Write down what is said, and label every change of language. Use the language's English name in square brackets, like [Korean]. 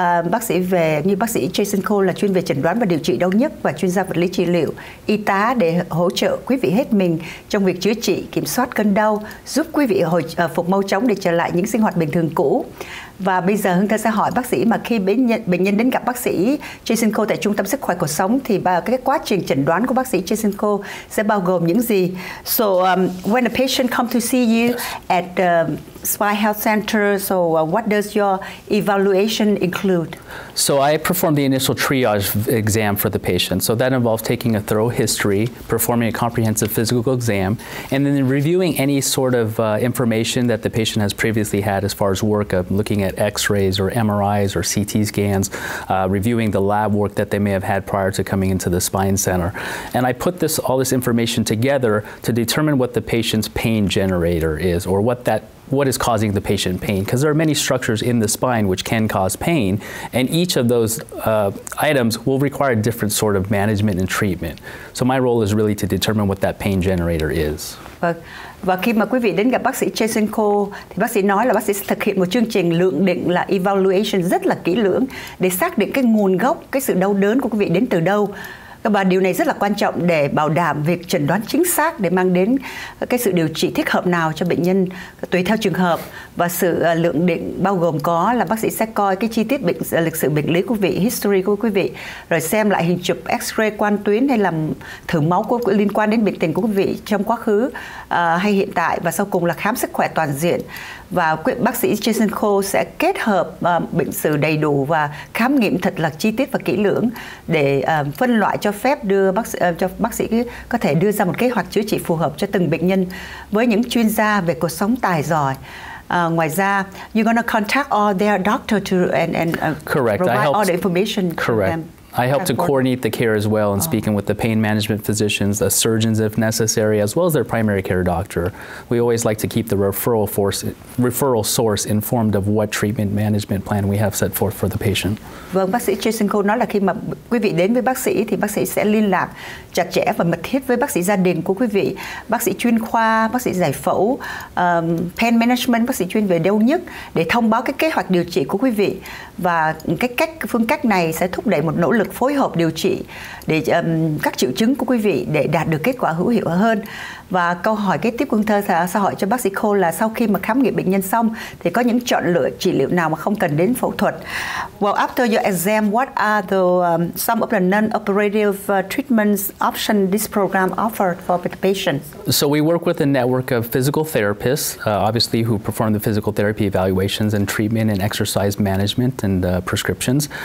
[Vietnamese] bác sĩ về như bác sĩ Jason Cole là chuyên về chẩn đoán và điều trị đau nhức và chuyên gia vật lý trị liệu, y tá để hỗ trợ quý vị hết mình trong việc chữa trị, kiểm soát cơn đau, giúp quý vị hồi phục mau chóng để trở lại những sinh hoạt bình thường cũ. Và bây giờ Hương Thơ sẽ hỏi bác sĩ mà khi bệnh nhân đến gặp bác sĩ Jason Cole tại trung tâm sức khỏe cuộc sống thì cái quá trình chẩn đoán của bác sĩ Jason Cole sẽ bao gồm những gì? [English] So when a patient come to see you at the Spine Health Center, so what does your evaluation include? So I perform the initial triage exam for the patient. So that involves taking a thorough history, performing a comprehensive physical exam, and then reviewing any sort of information that the patient has previously had as far as workup, looking at x-rays or MRIs or CT scans, reviewing the lab work that they may have had prior to coming into the spine center. And I put this information together to determine what the patient's pain generator is or what that what is causing the patient pain, because there are many structures in the spine which can cause pain, and each of those items will require a different sort of management and treatment. So my role is really to determine what that pain generator is. [Vietnamese] Và khi mà quý vị đến gặp bác sĩ Jason Cole thì bác sĩ nói là bác sĩ sẽ thực hiện một chương trình lượng định là evaluation rất là kỹ lưỡng để xác định cái nguồn gốc, cái sự đau đớn của quý vị đến từ đâu. Và điều này rất là quan trọng để bảo đảm việc chẩn đoán chính xác để mang đến cái sự điều trị thích hợp nào cho bệnh nhân tùy theo trường hợp. Và sự lượng định bao gồm có là bác sĩ sẽ coi cái chi tiết bệnh lịch sử bệnh lý của quý vị, history của quý vị, rồi xem lại hình chụp x-ray quan tuyến hay là thử máu của liên quan đến bệnh tình của quý vị trong quá khứ hay hiện tại, và sau cùng là khám sức khỏe toàn diện. Và bác sĩ Jason Cole sẽ kết hợp bệnh sử đầy đủ và khám nghiệm thật là chi tiết và kỹ lưỡng để phân loại cho phép đưa bác sĩ có thể đưa ra một kế hoạch chữa trị phù hợp cho từng bệnh nhân với những chuyên gia về cuộc sống tài giỏi. Ngoài ra, [English] you're going to contact all their doctor to correct. Provide I helped, all the information correct. To them. I help to coordinate the care as well, and speaking with the pain management physicians, the surgeons if necessary, as well as their primary care doctor. We always like to keep the referral source informed of what treatment management plan we have set forth for the patient. [Vietnamese] Vâng, bác sĩ Jason Cole nói là khi mà quý vị đến với bác sĩ thì bác sĩ sẽ liên lạc chặt chẽ và mật thiết với bác sĩ gia đình của quý vị, bác sĩ chuyên khoa, bác sĩ giải phẫu, pain management, bác sĩ chuyên về đau nhức để thông báo cái kế hoạch điều trị của quý vị, và cái cách phương cách này sẽ thúc đẩy một nỗ lực phối hợp điều trị để các triệu chứng của quý vị để đạt được kết quả hữu hiệu hơn. Và câu hỏi kế tiếp của thơ sẽ hỏi cho bác sĩ Cole là sau khi mà khám nghiệm bệnh nhân xong thì có những chọn lựa trị liệu nào mà không cần đến phẫu thuật. [English] Well, after your exam, what are the some of the non-operative treatments option this program offered for the patient? So we work with a network of physical therapists, obviously who perform the physical therapy evaluations and treatment and exercise management and prescriptions.